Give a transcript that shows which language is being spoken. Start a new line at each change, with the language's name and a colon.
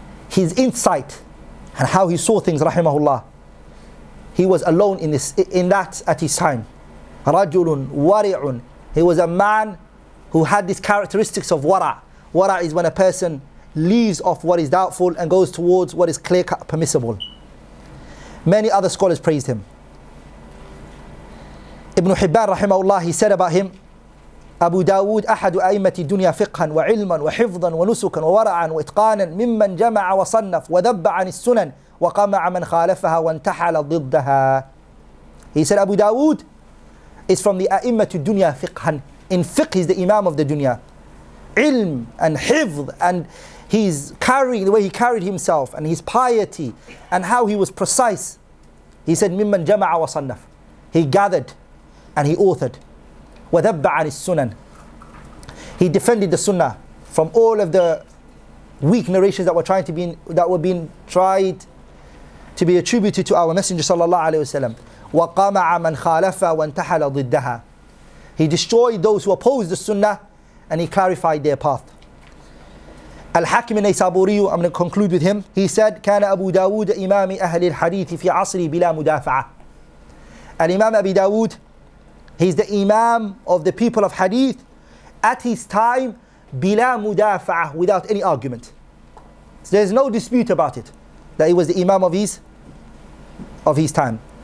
English: His insight and how he saw things, rahimahullah, he was alone in this, in that at his time.
Arabic: رَجُلٌ وَرِعٌ.
English: He was a man who had these characteristics of wara. Wara is when a person leaves off what is doubtful and goes towards what is clear-cut permissible. Many other scholars praised him. Ibn Hibban, rahimahullah, he said about him,
Arabic: أبو داود أحد أئمة الدنيا فقها وعلما وحفظا ونسكا وورعا وإتقانا ممن جمع وصنف وذب عن السنن وقمع من خالفها وانتحل ضدها.
English: He said Abu Dawood is from the
Arabic: أئمة الدنيا فقها.
English: In fiqh, he's the imam of the dunya. علم and حفظ, and he's carrying, the way he carried himself and his piety and how he was precise. He said
Arabic: ممن جمع وصنف.
English: He gathered and he authored.
Arabic: وذب عن السنن.
English: He defended the sunnah from all of the weak narrations that were trying to be, that were being tried to be attributed to our Messenger sallallahu alaihi wasallam.
Arabic: وقمع من خالفها وانتحل ضدها.
English: He destroyed those who opposed the sunnah and he clarified their path. Al-Hakim al-Naysaburi, I'm going to conclude with him. He said
Arabic: كان أبو داود إمام أهل الحديث في عصري بلا مدافعة.
English: Al-Imam Abi Dawood, he's the Imam of the people of Hadith at his time, bila mudafa'ah, without any argument. So there's no dispute about it, that he was the Imam of his time.